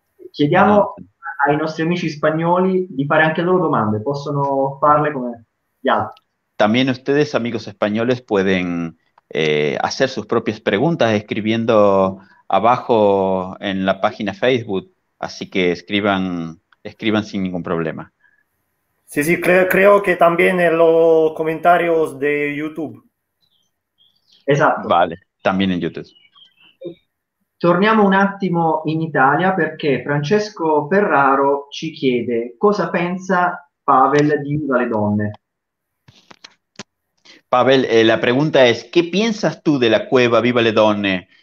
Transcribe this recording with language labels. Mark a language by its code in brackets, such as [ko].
[it] Chiediamo ai nostri amici spagnoli di fare anche loro domande, possono farle come gli altri. [es] También ustedes, amigos españoles, pueden hacer sus propias preguntas escribiendo abajo en la página Facebook. Así que escriban sin ningún problema. Sí, creo que también en los comentarios de YouTube. [it] Esatto. [es] Vale, también en YouTube. [it] Torniamo un attimo in Italia perché Francesco Ferraro ci chiede cosa pensa Pavel di Viva le Donne. [es] Pavel, la pregunta es, ¿qué piensas tú de la cueva Viva le Donne?